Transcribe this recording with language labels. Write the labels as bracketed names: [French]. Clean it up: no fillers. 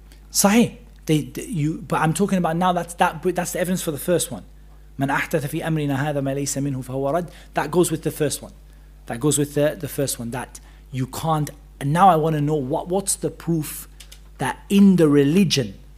[English] Sahih. But I'm talking about now, that's the evidence for the first one. [Arabic] من أحدث في أمرنا هذا ما ليس منه فهو رد. [English] That goes with the first one. That goes with the first one. That you can't. And now I want to know what's the proof that in the religion.